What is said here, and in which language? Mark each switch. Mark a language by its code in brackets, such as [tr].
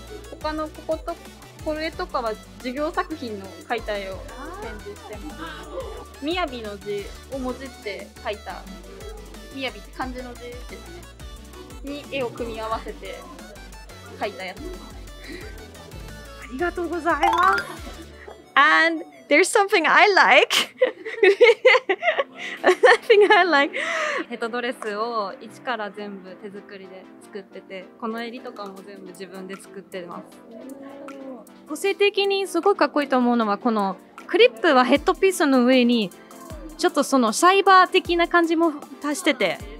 [ja] 他のこことこれとかは授業作品の描いた絵を展示してます。雅の字をもじって描いた、雅って漢字の字ですねに絵を組み合わせて描いたやつ。ありがとうございます。 [en] And there's something I like. Something I like. [ja] ヘッドドレスを一から全部手作りで作ってて、この襟とかも全部自分で作ってます。個性的にすごいかっこいいと思うのは、このクリップはヘッドピースの上にちょっとそのサイバー的な感じも足してて、